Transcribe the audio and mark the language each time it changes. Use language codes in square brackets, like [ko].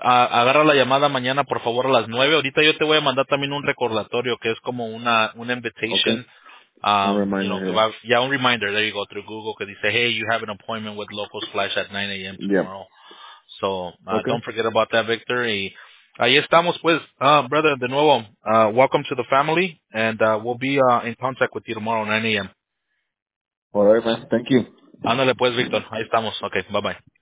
[es] Agarra la llamada mañana, por favor, a las 9. Ahorita yo te voy a mandar también un recordatorio, que es como una invitation. Okay. Un reminder. Un reminder. [en] There you go, through Google, [es] que dice, [en] hey, you have an appointment with Local Splash at 9 a.m. tomorrow. So, don't forget about that, Victor. [es] Y ahí estamos, pues. [en] Brother, [es] de nuevo, [en] welcome to the family, and we'll be in contact with you tomorrow, 9 a.m. All right, man. Thank you. [es] Ándale, pues, Victor. Ahí estamos. Okay, bye-bye.